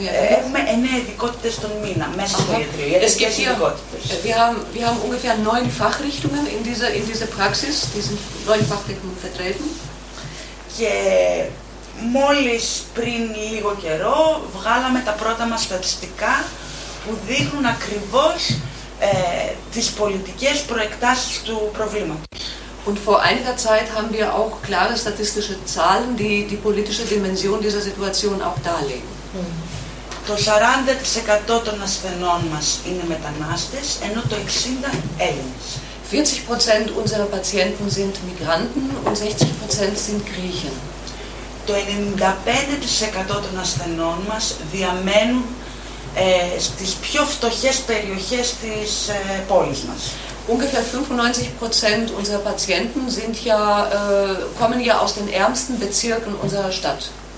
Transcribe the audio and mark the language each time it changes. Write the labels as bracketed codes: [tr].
[el] Έχουμε 9 ειδικότητες τον μήνα μέσα στο ιατρείο. Ειδικές ειδικότητες. [de] Wir haben ungefähr 9 Fachrichtungen in dieser Praxis, diesen 9 Fachrichtungen vertreten. [el] Και μόλις πριν λίγο καιρό βγάλαμε τα πρώτα μας στατιστικά που δείχνουν ακριβώς τις πολιτικές προεκτάσεις του προβλήματος. [de] Und vor einiger Zeit haben wir auch klare statistische Zahlen, die die politische Dimension dieser Situation auch darlegen. [el] Το 40% των ασθενών μας είναι μετανάστες, ενώ το 60% Έλληνες. [de] 40% unserer Patienten sind Migranten und 60% sind Griechen. [el] Το 95% των ασθενών μας διαμένουν στις πιο φτωχές περιοχές της πόλης μας. [de] Ungefähr 95% unserer Patienten sind ja, kommen ja aus den ärmsten Bezirken unserer Stadt.